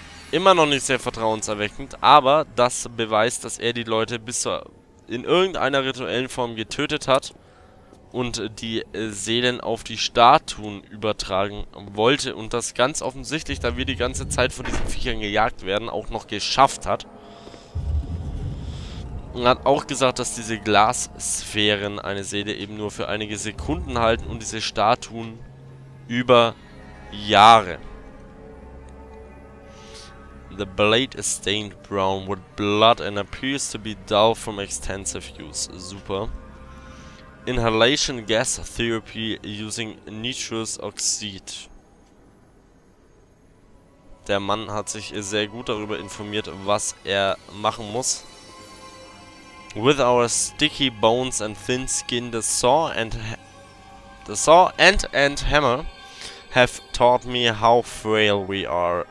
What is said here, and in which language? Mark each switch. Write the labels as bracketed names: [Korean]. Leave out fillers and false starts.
[German] Immer noch nicht sehr vertrauenserweckend, aber das beweist, dass er die Leute bis zur in irgendeiner rituellen Form getötet hat und die Seelen auf die Statuen übertragen wollte und das ganz offensichtlich, da wir die ganze Zeit von diesen Viechern gejagt werden, auch noch geschafft hat. Und hat auch gesagt, dass diese Glassphären eine Seele eben nur für einige Sekunden halten und diese Statuen über Jahre. [English] The blade is stained brown with blood and appears to be dull from extensive use. Super. Inhalation gas therapy using nitrous oxide. [German] Der Mann hat sich sehr gut darüber informiert, was er machen muss. [English] With our sticky bones and thin skin, the saw and hammer have taught me how frail we are.